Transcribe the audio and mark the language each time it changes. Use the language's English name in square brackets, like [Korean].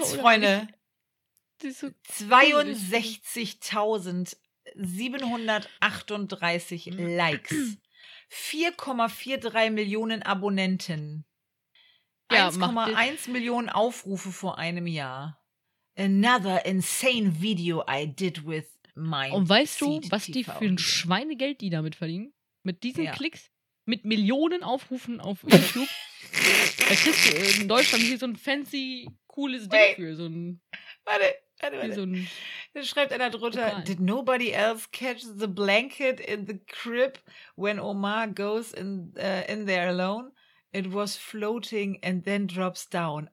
[German] Ohne Witz, Freunde. So 62.738 Likes. 4,43 Millionen Abonnenten. Ja, 1,1 Millionen Aufrufe vor einem Jahr. [English] Another insane video I did with my [German] Und weißt du, was die für ein Schweinegeld die damit verdienen? Mit diesen Klicks? Mit Millionen Aufrufen auf YouTube? Da kriegst du in Deutschland hier so ein fancy, cooles Ding für. So ein, warte. So ein, da schreibt einer drunter, okay. [English] Did nobody else catch the blanket in the crib when Omar goes in there alone? It was floating and then drops down.